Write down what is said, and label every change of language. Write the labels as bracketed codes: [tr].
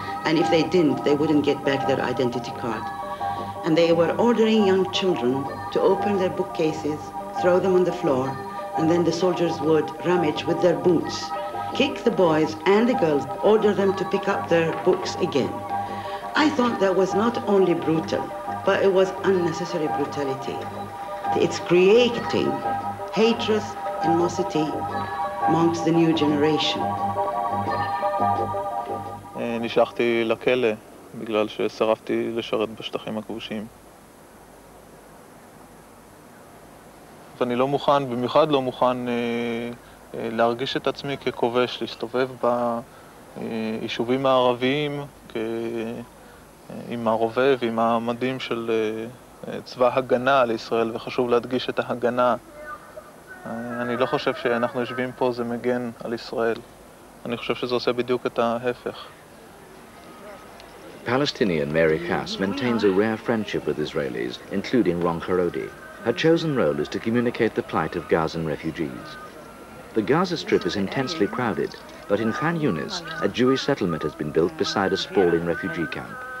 [en] And if they didn't, they wouldn't get back their identity card. And they were ordering young children to open their bookcases, throw them on the floor, and then the soldiers would rummage with their boots, kick the boys and the girls, order them to pick up their books again. I thought that was not only brutal, but it was unnecessary brutality. It's creating hatred, animosity amongst the new generation. [he] נשלחתי לכלא בגלל ששרפתי לשרת בשטחים הכבושים. ואני לא מוכן, במיוחד לא מוכן, להרגיש את עצמי ככובש, להסתובב ביישובים הערביים עם הרובה ועם המדים של צבא הגנה לישראל, וחשוב להדגיש את ההגנה. אני לא חושב שאנחנו יושבים פה, זה מגן על ישראל. אני חושב שזה עושה בדיוק את ההפך. [en] Palestinian Mary Cass maintains a rare friendship with Israelis, including Ron Karodi. Her chosen role is to communicate the plight of Gazan refugees. The Gaza Strip is intensely crowded, but in Khan Yunis, a Jewish settlement has been built beside a sprawling refugee camp.